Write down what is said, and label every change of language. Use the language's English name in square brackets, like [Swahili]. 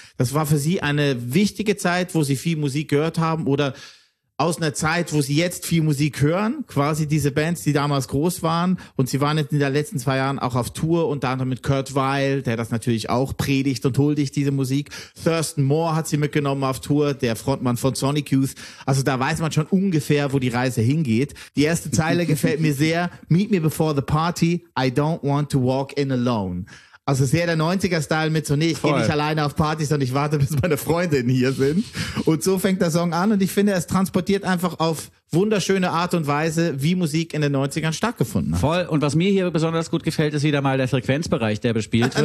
[German] Das war für sie eine wichtige Zeit, wo sie viel Musik gehört haben oder aus einer Zeit, wo sie jetzt viel Musik hören, quasi diese Bands, die damals groß waren. Und sie waren jetzt in den letzten zwei Jahren auch auf Tour, unter anderem mit Kurt Weill, der das natürlich auch predigt und huldigt, diese Musik. Thurston Moore hat sie mitgenommen auf Tour, der Frontmann von Sonic Youth. Also da weiß man schon ungefähr, wo die Reise hingeht. Die erste Zeile gefällt mir sehr. [English] Meet me before the party, I don't want to walk in alone. [German] Also sehr der 90er-Style mit so, nee, ich gehe nicht alleine auf Partys, sondern ich warte, bis meine Freundinnen hier sind. Und so fängt der Song an und ich finde, es transportiert einfach auf wunderschöne Art und Weise, wie Musik in den 90ern stattgefunden hat. Voll. Und was mir hier besonders gut gefällt, ist wieder mal der Frequenzbereich, der bespielt wird.